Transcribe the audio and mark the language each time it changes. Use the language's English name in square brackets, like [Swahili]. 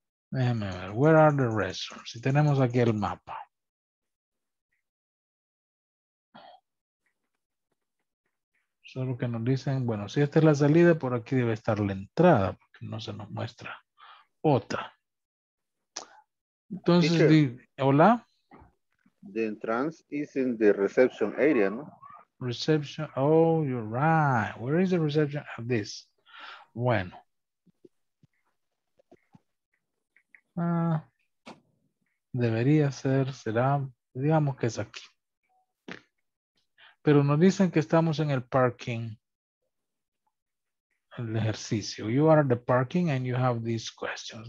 [Spanish] Déjame ver, [English] where are the restrooms? [Spanish] Si tenemos aquí el mapa. Solo que nos dicen, bueno, si esta es la salida, por aquí debe estar la entrada, porque no se nos muestra otra. Entonces, teacher, hola. [English] The entrance is in the reception area, no? Reception, oh, you're right. Where is the reception of this? Bueno. [Spanish] Debería ser, será, digamos que es aquí. Pero nos dicen que estamos en el parking. El ejercicio. [English] You are at the parking and you have these questions.